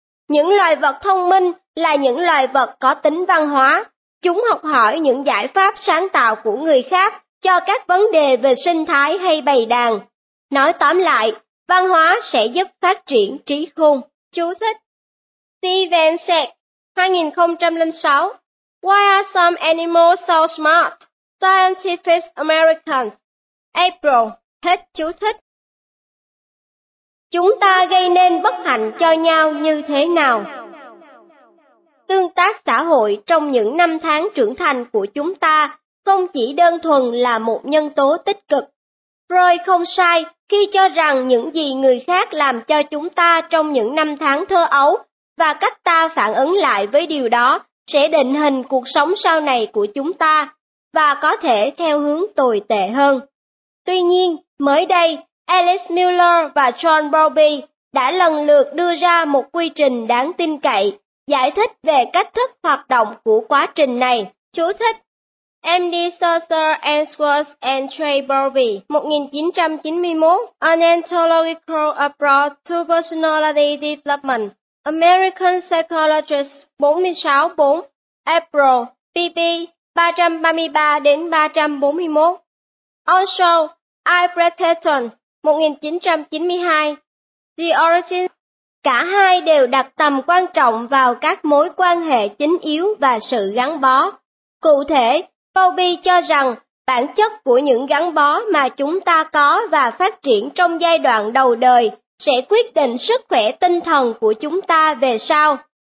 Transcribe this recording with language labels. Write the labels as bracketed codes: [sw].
[vi] Những loài vật thông minh là những loài vật có tính văn hóa. Chúng học hỏi những giải pháp sáng tạo của người khác cho các vấn đề về sinh thái hay bầy đàn. Nói tóm lại, văn hóa sẽ giúp phát triển trí khôn. Chú thích. Steven Sack, 2006. [en] Why are some animals so smart? Scientific American. April. [vi] Hết chú thích. Chúng ta gây nên bất hạnh cho nhau như thế nào? Tương tác xã hội trong những năm tháng trưởng thành của chúng ta không chỉ đơn thuần là một nhân tố tích cực. Freud không sai khi cho rằng những gì người khác làm cho chúng ta trong những năm tháng thơ ấu và cách ta phản ứng lại với điều đó sẽ định hình cuộc sống sau này của chúng ta và có thể theo hướng tồi tệ hơn. Tuy nhiên, mới đây, Alice Miller và John Bowlby đã lần lượt đưa ra một quy trình đáng tin cậy, giải thích về cách thức hoạt động của quá trình này. Chú thích M.D. [en] Saucer, Ainsworth and Trey Bowlby, 1991, An Anthological Approach to Personality Development, American Psychologist, 46-4, April, pp. 333-341. Also, I. [vi] Bretton, 1992, The Origin, cả hai đều đặt tầm quan trọng vào các mối quan hệ chính yếu và sự gắn bó. Cụ thể, Bowlby cho rằng bản chất của những gắn bó mà chúng ta có và phát triển trong giai đoạn đầu đời sẽ quyết định sức khỏe tinh thần của chúng ta về sau.